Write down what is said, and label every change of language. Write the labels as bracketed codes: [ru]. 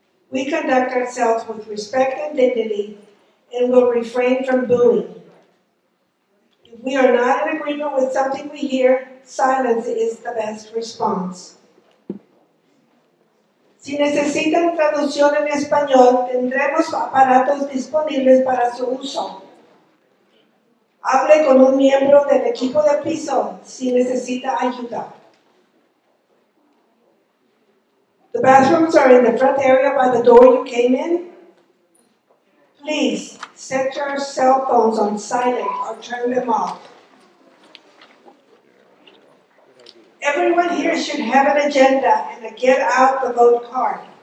[en] We conduct ourselves with respect and dignity and will refrain from booing. If we are not in agreement with something we hear, silence is the best response. [es] Si necesitan traducción en español, tendremos aparatos disponibles para su uso. Hable con un miembro del equipo de piso si necesita ayuda. [en] The bathrooms are in the front area by the door you came in. Please set your cell phones on silent or turn them off. Everyone here should have an agenda and a get out the vote card.